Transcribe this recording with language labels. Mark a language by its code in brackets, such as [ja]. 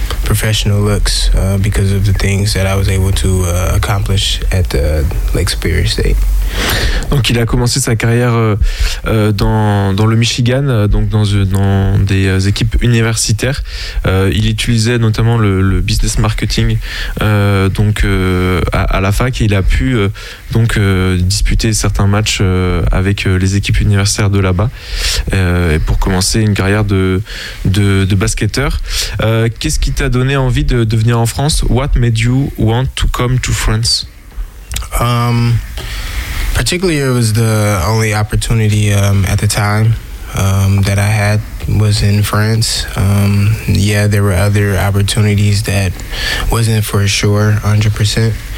[en] professional looks because of the things that I was able to accomplish at the Lake Superior State. [fr] Donc il a commencé sa carrière dans le Michigan, donc dans des équipes universitaires. Il utilisait notamment le business marketing à la fac, et il a pu disputer certains matchs avec les équipes universitaires de là-bas pour commencer une carrière de basketteur. Qu'est-ce qui t'a donné envie de venir en France? [en] What made you want to come to France? Particularly, it was the only opportunity at the time that I had was in France. Yeah, there were other opportunities that wasn't for sure 100%.